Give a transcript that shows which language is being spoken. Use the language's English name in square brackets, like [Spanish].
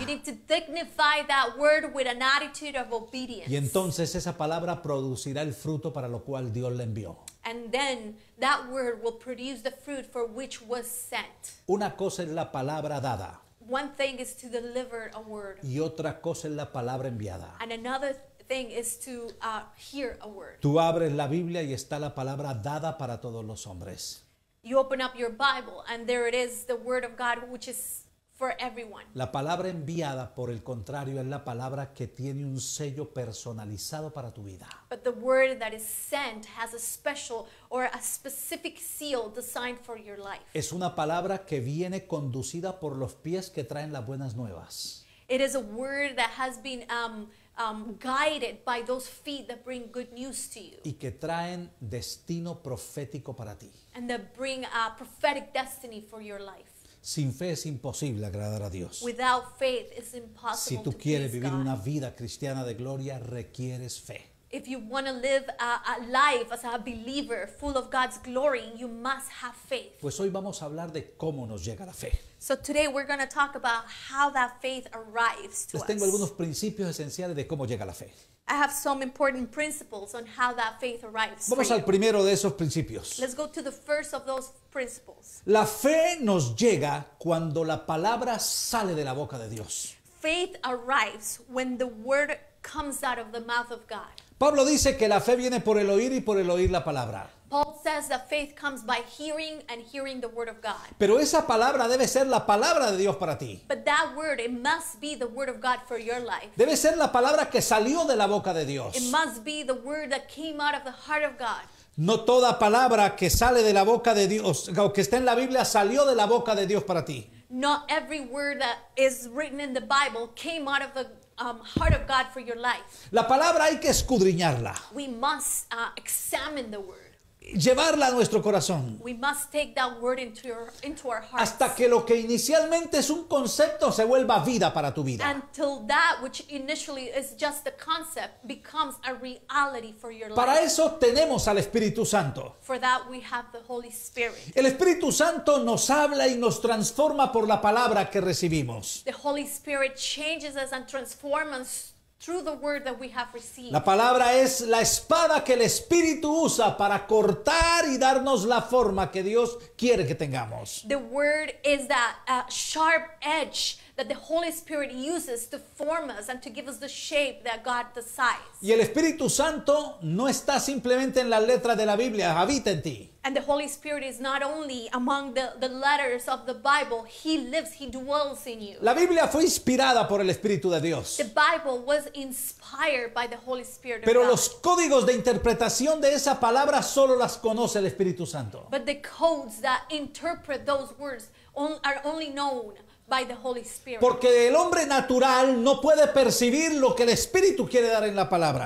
[English] You need to dignify that word with an attitude of obedience. [Spanish] Y entonces esa palabra producirá el fruto para lo cual Dios la envió. [English] And then that word will produce the fruit for which was sent. [Spanish] Una cosa es la palabra dada. [English] One thing is to deliver a word. [Spanish] Y otra cosa es la palabra enviada. [English] And another thing is to hear a word. [Spanish] Tú abres la Biblia y está la palabra dada para todos los hombres. [English] You open up your Bible and there it is, the word of God, which is for everyone. [Spanish] La palabra enviada, por el contrario, es la palabra que tiene un sello personalizado para tu vida. [English] But the word that is sent has a special or a specific seal designed for your life. [Spanish] Es una palabra que viene conducida por los pies que traen las buenas nuevas. [English] It is a word that has been guided by those feet that bring good news to you. [Spanish] Y que traen destino profético para ti. [English] And that bring a prophetic destiny for your life. [Spanish] Sin fe es imposible agradar a Dios. [English] Without faith, it's impossible. [Spanish] Si tú quieres vivir una vida cristiana de gloria, requieres fe. [English] If you want to live a life as a believer full of God's glory, you must have faith. [Spanish] Pues hoy vamos a hablar de cómo nos llega la fe. [English] So today we're going to talk about how that faith arrives to us. [Spanish] Les tengo algunos principios esenciales de cómo llega la fe. [English] I have some important principles on how that faith arrives. [Spanish] Vamos al primero de esos principios. [English] Let's go to the first of those principles. [Spanish] La fe nos llega cuando la palabra sale de la boca de Dios. [English] Faith arrives when the word comes out of the mouth of God. [Spanish] Pablo dice que la fe viene por el oír y por el oír la palabra. [English] Paul says that faith comes by hearing and hearing the word of God. [Spanish] Pero esa palabra debe ser la palabra de Dios para ti. [English] But that word, it must be the word of God for your life. [Spanish] Debe ser la palabra que salió de la boca de Dios. [English] It must be the word that came out of the heart of God. [Spanish] No toda palabra que sale de la boca de Dios, o que está en la Biblia, salió de la boca de Dios para ti. [English] Not every word that is written in the Bible came out of the heart of God for your life. [Spanish] La palabra hay que escudriñarla. [English] We must examine the word. [Spanish] Llevarla a nuestro corazón. [English] We must take that word into your, into our hearts. [Spanish] Hasta que lo que inicialmente es un concepto se vuelva vida para tu vida. [English] Until that which initially is just a concept becomes a reality for your life. [Spanish] Para eso tenemos al Espíritu Santo. [English] For that we have the Holy Spirit. [Spanish] El Espíritu Santo nos habla y nos transforma por la palabra que recibimos. [English] The Holy Spirit changes us and transforms us through the word that we have received. [Spanish] La palabra es la espada que el Espíritu usa para cortar y darnos la forma que Dios quiere que tengamos. [English] The word is that sharp edge that the Holy Spirit uses to form us and to give us the shape that God desires. [Spanish] Y el Espíritu Santo no está simplemente en la letra de la Biblia, habita en ti. [English] And the Holy Spirit is not only among the letters of the Bible. He lives, he dwells in you. [Spanish] La Biblia fue inspirada por el Espíritu de Dios. [English] The Bible was inspired by the Holy Spirit. [Spanish] Pero [English] of God. [Spanish] Los códigos de interpretación de esa palabra solo las conoce el Espíritu Santo. [English] But the codes that interpret those words are only known by the Holy Spirit. [Spanish] Porque el hombre natural no puede percibir lo que el Espíritu quiere dar en la palabra.